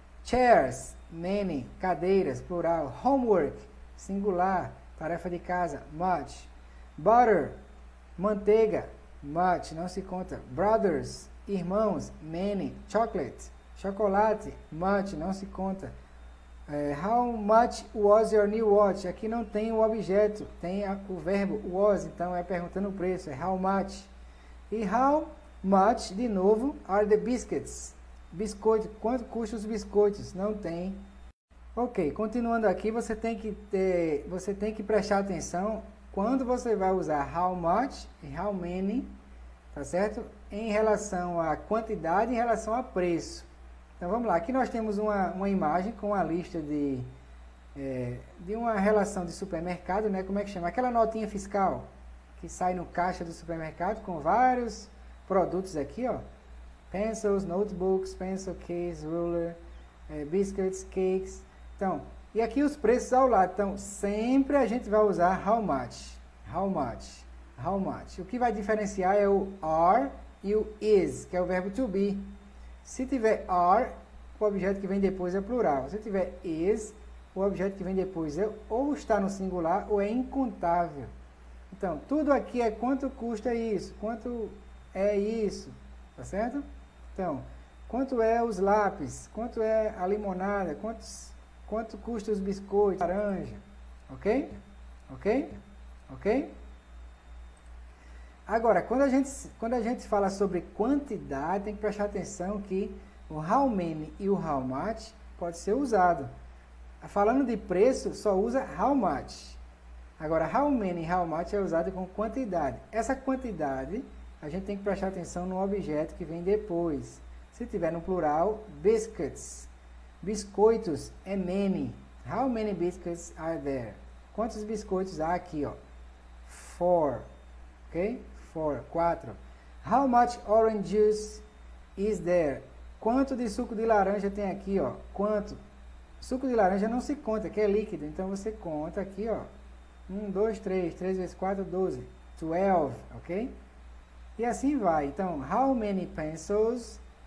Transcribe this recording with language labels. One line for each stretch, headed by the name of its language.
English: Chairs, many.
Portuguese: Cadeiras, plural.
English: Homework,
Portuguese: singular. Tarefa de casa, much. Butter, manteiga, much, não se conta. Brothers, irmãos, many. Chocolate, chocolate, much, não se conta.
English: How much was your new watch?
Portuguese: Aqui não tem o objeto, tem o verbo was, então é perguntando o preço, é how much.
English: E how much,
Portuguese: de novo,
English: are the biscuits?
Portuguese: Biscoito, quanto custam os biscoitos? Não tem. Ok, continuando aqui, você tem que prestar atenção quando você vai usar how much e how many, tá certo? Em relação à quantidade, em relação a preço. Então, vamos lá. Aqui nós temos uma imagem com uma lista de uma relação de supermercado, né? Como é que chama? Aquela notinha fiscal que sai no caixa do supermercado com vários produtos aqui, ó.
English: Pencils, notebooks, pencil case, ruler, biscuits, cakes.
Portuguese: Então, e aqui os preços ao lado, então sempre a gente vai usar how much, how much, how much. O que vai diferenciar é o are e o is, que é o verbo to be. Se tiver are, o objeto que vem depois é plural. Se tiver is, o objeto que vem depois é ou está no singular ou é incontável. Então, tudo aqui é quanto custa isso, quanto é isso, tá certo? Então, quanto é os lápis? Quanto é a limonada? Quanto custa os biscoitos, laranja? Ok? Ok? Ok? Agora, quando a gente fala sobre quantidade, tem que prestar atenção que o how many e o how much pode ser usado. Falando de preço, só usa how much. Agora, how many e how much é usado com quantidade. Essa quantidade, a gente tem que prestar atenção no objeto que vem depois. Se tiver no plural, biscuits. Biscoitos é many.
English: How many biscuits are there?
Portuguese: Quantos biscoitos há aqui, ó?
English: Four. Ok? Four.
Portuguese: Quatro.
English: How much orange juice is there?
Portuguese: Quanto de suco de laranja tem aqui, ó? Quanto? Suco de laranja não se conta, que é líquido. Então, você conta aqui, ó. 1, 2, 3 vezes 4, 12. 12, ok? E assim vai. Então,
English: how many pencils?